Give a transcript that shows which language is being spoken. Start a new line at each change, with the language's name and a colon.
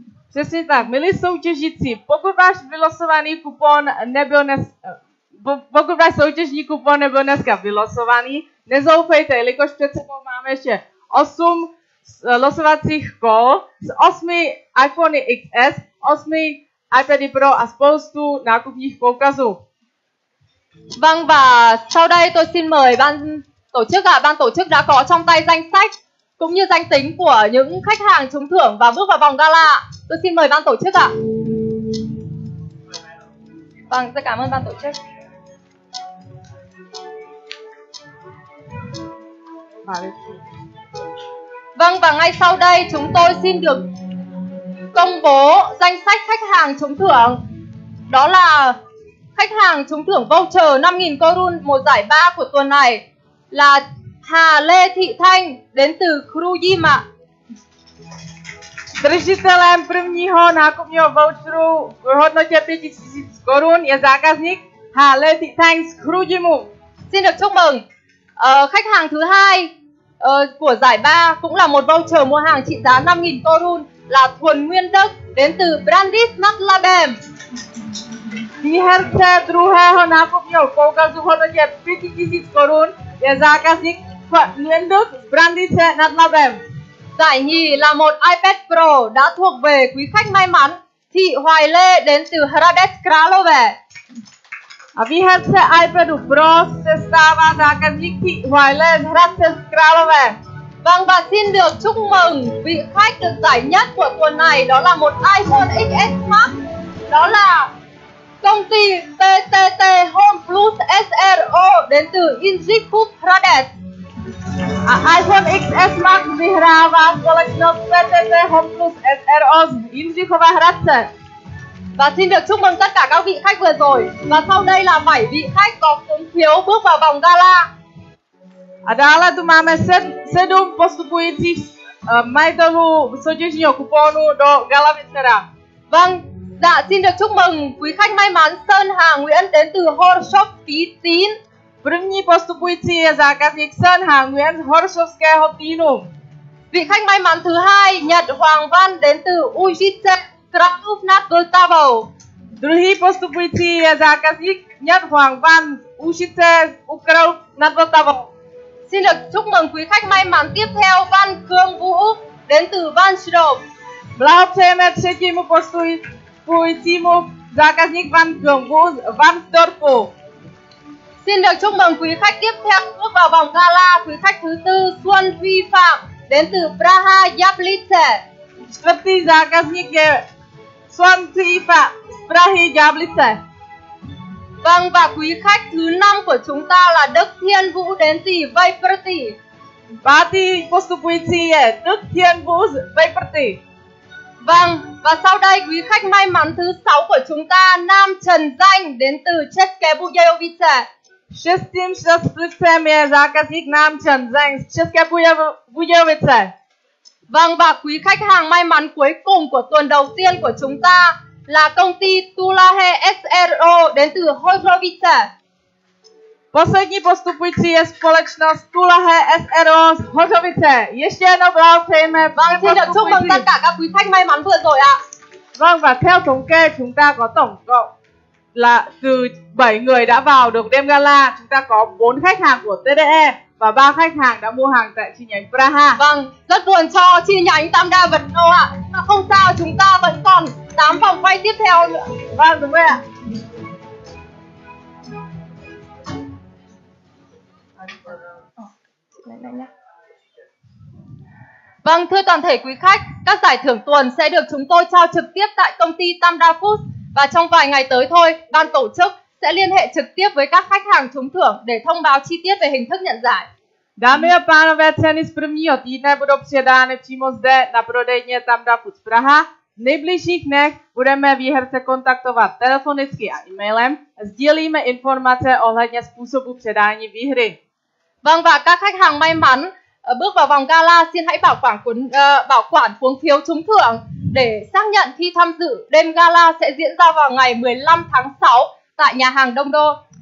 Czech: Přesně tak, milí soutěžící, pokud váš vylosovaný kupon nebyl pokud váš soutěžní kupon nebyl dneska vylosovaný, nezoufejte, jelikož před sebou máme ještě 8 losovacích kol s 8 iPhone XS, 8 iPad Pro a spoustu nákupních poukazů.
Vietnamese: Vâng, và sau đây tôi xin mời ban tổ chức đã có trong tay danh sách cũng như danh tính của những khách hàng trúng thưởng và bước vào vòng gala. Tôi xin mời ban tổ chức ạ. Vâng, rất cảm ơn ban tổ chức. Vâng, và ngay sau đây chúng tôi xin được công bố danh sách khách hàng trúng thưởng. Đó là khách hàng trúng thưởng voucher 5.000 korun một giải 3 của tuần này là Hà Lê Thị Thanh đến từ Kru Jim ạ.
Czech: Držitelem prvního nákupního voucheru v hodnotě 5000 korun je zákazník Hà Lê Thị Thanh z Kru Jimu.
Vietnamese: Xin được chúc mừng. Khách hàng thứ hai của giải 3 cũng là một voucher mua hàng trị giá 5000 korun là Thuần Nguyên Đức đến từ Brandis Natlabem.
Czech: Výherce druhého nákupního poukazu v hodnotě 5000 korun je zákazník Thuần Nguyên Đức z Brandis Natlabem.
Vietnamese: Giải nhì là một iPad Pro đã thuộc về quý khách may mắn Thị Hoài Lê đến từ Hradec Králové.
Czech: A výherce iPadu Pro se stává zákazník Thị Hoài Lê z Hradec Králové.
Vietnamese: Vâng, và xin được chúc mừng vị khách được giải nhất của tuần này, đó là một iPhone XS Max. Đó là công ty PTT Home Plus SRO đến từ Inzikup Hradec.
Czech: A iPhone XS Max vyhrává společnost PTT Home Plus SRO z Jindřichova Hradce.
Vietnamese: Và xin được chúc mừng tất cả các vị khách vừa rồi. Và sau đây là 7 vị khách có cuốn phiếu bước vào vòng gala.
Czech: A dále tu máme 7 postupujících majitelů soutěžního kuponu do gala večera.
Vietnamese: Vâng, dạ xin được chúc mừng quý khách may mắn Sơn Hà Nguyễn đến từ Horshop Tý Tín.
Czech: První postupující je zákazník Sơn Hà Nguyễn z Horšovského Týnu.
Vietnamese: Vị khách may mắn thứ hai Nhật Hoàng Văn đến từ Užice Kravnovna Vltava.
Czech: Druhý postupující je zákazník Nhật Hoàng Văn Užice Kravnovna Vltava.
Vietnamese: Xin được chúc mừng quý khách may mắn tiếp theo Văn Cương Vũ đến từ Văn Trộm.
Czech: Blahopřejeme třetímu postupujícímu zákazník Văn Cương Vũ z Văn Storpu.
Vietnamese: Xin được chúc mừng quý khách tiếp theo bước vào vòng gala, quý khách thứ tư Xuân Huy Phạm đến từ Praha Jablice.
Czech: Čtvrtý zákazník je Xuân Huy Phạm z Prahy Jablice.
Vietnamese: Vâng, và quý khách thứ năm của chúng ta là Đức Thiên Vũ đến từ Vyprty.
Czech: Pátý postupující je Đức Thiên Vũ z Vyprty.
Vietnamese: Vâng, và sau đây quý khách may mắn thứ sáu của chúng ta Nam Trần Danh đến từ České Budějovice.
Czech: Šestým šťastlivcem je zákazník Nam Chen Zeng z České Budějovice.
Vietnamese: Vâng, và quý khách hàng may mắn cuối cùng của tuần đầu tiên của chúng ta là công ty Tulahe SRO đến từ Hojrovice.
Czech: Poslední postupující je společnost Tulahe SRO z Hojrovice. Ještě jednou blahopřejeme.
Vietnamese: Vâng, xin được chúc mừng tất cả các quý khách may mắn vừa rồi ạ. Vâng, và theo thống kê chúng ta có tổng cộng là từ 7 người đã vào được đêm gala, chúng ta có 4 khách hàng của TDE và 3 khách hàng đã mua hàng tại chi nhánh Praha. Vâng, rất buồn cho chi nhánh Tam Đa Vật Nô ạ. Mà không sao, chúng ta vẫn còn 8 vòng quay tiếp theo nữa. Vâng, đúng rồi ạ. Vâng, thưa toàn thể quý khách, các giải thưởng tuần sẽ được chúng tôi trao trực tiếp tại công ty Tam Đa Food. Và trong vài ngày tới thôi, ban tổ chức sẽ liên hệ trực tiếp với các khách hàng trúng thưởng để thông báo chi tiết về hình thức nhận giải.
Czech: Dámy a pánové, ceny z prvního týdne budou předány přímo zde na prodejně Tamda Foods Praha. V nejbližších dnech budeme výherce kontaktovat telefonicky a e-mailem. Sdílíme informace ohledně způsobu předání výhry.
Vietnamese: Vâng, và các khách hàng may mắn bước vào vòng gala xin hãy bảo quản cuốn phiếu trúng thưởng để xác nhận khi tham dự đêm gala sẽ diễn ra vào ngày 15 tháng 6 tại nhà hàng Đông Đô.